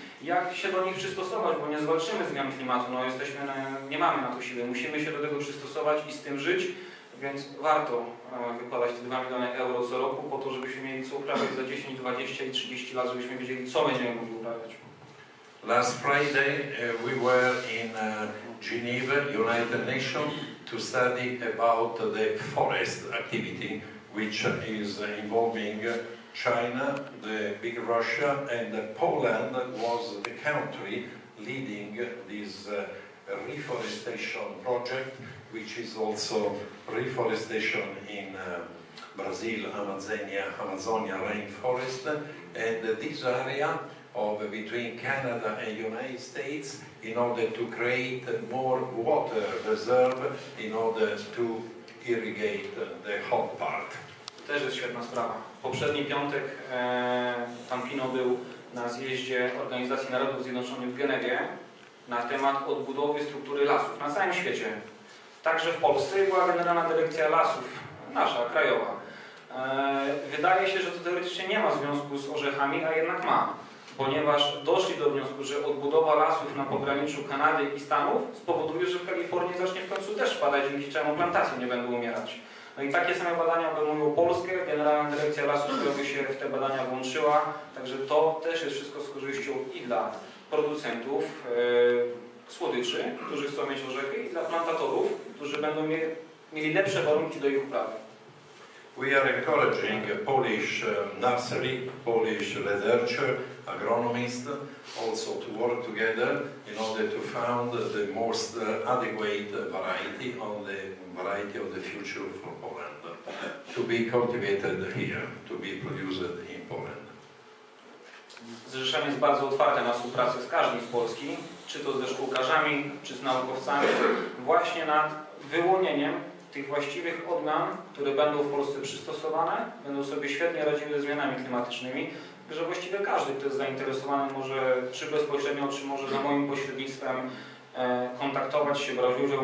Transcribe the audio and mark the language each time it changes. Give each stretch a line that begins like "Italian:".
Polish: Jak się do nich przystosować, bo nie zwalczymy zmian klimatu, no jesteśmy, nie mamy na to siły. Musimy się do tego przystosować i z tym żyć, więc warto wykładać te 2 miliony euro co roku po to, żebyśmy mieli co uprawiać za 10, 20 i 30 lat, żebyśmy wiedzieli, co będziemy mogli uprawiać.
English: Last Friday we were in Geneva, United Nations, to study about the forest activity which is involving China, the big Russia, and Poland was the country leading this reforestation project, which is also reforestation in Brazil, Amazonia rainforest, and this area of between Canada and United States in order to create more water reserve in order to irrigate the hot part.
Polish: To też jest świetna sprawa. Poprzedni piątek pan Pino był na zjeździe Organizacji Narodów Zjednoczonych w Genewie na temat odbudowy struktury lasów na całym świecie. Także w Polsce była Generalna Dyrekcja Lasów, nasza, krajowa. Wydaje się, że to teoretycznie nie ma związku z orzechami, a jednak ma. Ponieważ doszli do wniosku, że odbudowa lasów na pograniczu Kanady i Stanów spowoduje, że w Kalifornii zacznie w końcu też padać, dzięki czemu plantacje nie będą umierać. No i takie same badania obejmują Polskę, Generalna Dyrekcja Lasów, która by się w te badania włączyła. Także to też jest wszystko z korzyścią i dla producentów słodyczy, którzy chcą mieć orzechy, i dla plantatorów, którzy będą mieli lepsze warunki do ich uprawy.
English: We are encouraging Polish nursery, Polish researcher, agronomist also to work together in order to found the most adequate variety on the variety of the future for Poland to be cultivated here, to be produced in Poland.
Polish: Zrzeszenie jest bardzo otwarte na współpracę z każdym z Polski, czy to ze szkółkarzami, czy z naukowcami, właśnie nad wyłonieniem tych właściwych odmian, które będą w Polsce przystosowane, będą sobie świetnie radziły ze zmianami klimatycznymi, że właściwie każdy, kto jest zainteresowany, może czy bezpośrednio, czy może za moim pośrednictwem kontaktować się, brać udział.